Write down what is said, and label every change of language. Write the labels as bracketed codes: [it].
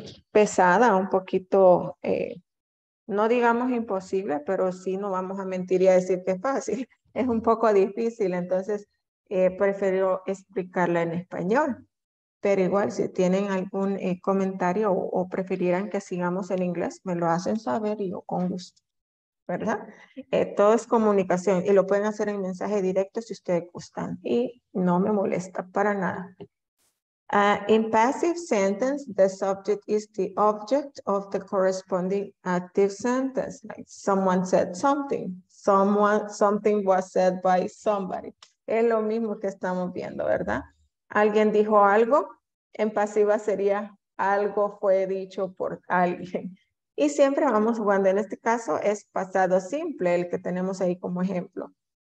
[es] pesada, un poquito, no digamos imposible, pero sí no vamos a mentir y a decir que es fácil, es un poco difícil, entonces prefiero explicarla en español, pero igual si tienen algún comentario o preferirán que sigamos en inglés, me lo hacen saber y yo con gusto. ¿Verdad? Todo es comunicación y lo pueden hacer en mensaje directo si ustedes gustan y no me molesta para nada. [en] In passive sentence, the subject is the object of the corresponding active sentence. Like someone said something. Something was said by somebody. [es] Es lo mismo que estamos viendo, ¿verdad? Alguien dijo algo. En pasiva sería algo fue dicho por alguien. Y siempre vamos jugando. En este caso es pasado simple el que tenemos ahí como ejemplo.